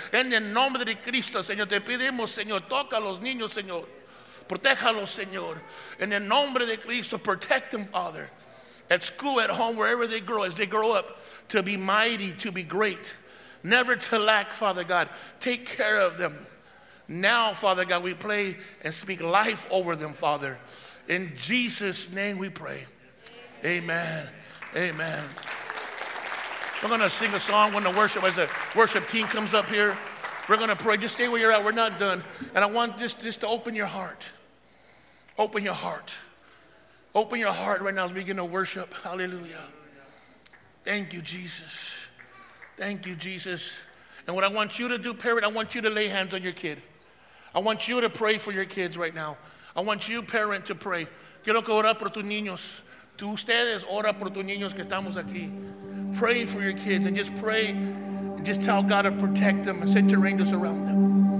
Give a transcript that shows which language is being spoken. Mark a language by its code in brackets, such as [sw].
[es] En el nombre de Cristo, Señor, te pedimos, Señor, toca a los niños, Señor. Protéjalo, Señor. En el nombre de Cristo, [en] protect them, Father. At school, at home, wherever they grow, as they grow up, to be mighty, to be great. Never to lack, Father God. Take care of them. Now, Father God, we pray and speak life over them, Father. In Jesus' name we pray. Amen. Amen. We're going to sing a song. We're going to worship as the worship team comes up here. We're going to pray. Just stay where you're at. We're not done. And I want just to open your heart. Open your heart. Open your heart right now as we begin to worship. Hallelujah. Thank you, Jesus. Thank you, Jesus. And what I want you to do, parent, I want you to lay hands on your kid. I want you to pray for your kids right now. I want you, parent, to pray. [es] Quiero que ora por tus niños. Tú ustedes ora por tus niños que estamos aquí. [en] Pray for your kids and just pray and just tell God to protect them and set your angels around them.